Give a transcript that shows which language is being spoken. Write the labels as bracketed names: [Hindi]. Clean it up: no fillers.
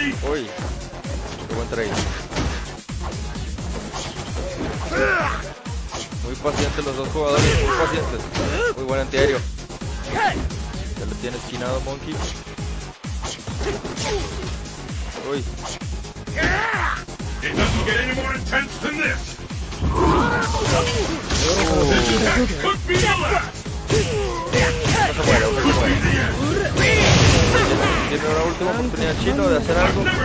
[Spanish] Uy, qué buen trade. Muy paciente los dos jugadores, muy pacientes. Muy buen antiaéreo. Ya le tiene esquinado Monkey. Uy. [English] It doesn't get any more intense than this. Oh. [Spanish] No, tiene la última oportunidad Chino de hacer algo.